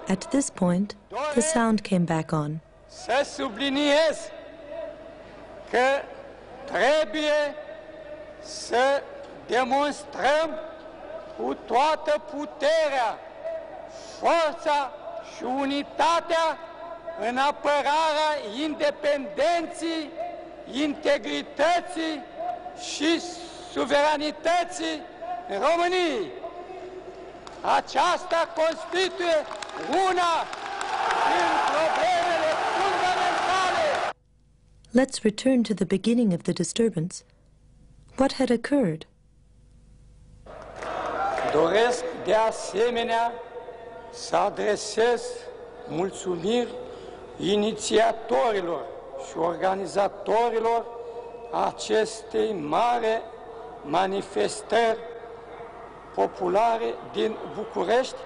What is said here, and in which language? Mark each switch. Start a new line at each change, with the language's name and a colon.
English: At this point, the sound came back on.
Romanian: Să subliniez că trebuie să demonstrăm cu toată puterea, forța și unitatea în apărarea independenței, integrității și suveranității României. Aceasta constituie una din problemele fundamentale.
English: Let's return to the beginning of the disturbance. What had occurred?
Romanian: Doresc de asemenea să adresez mulțumiri inițiatorilor și organizatorilor acestei mare manifestări populare din București.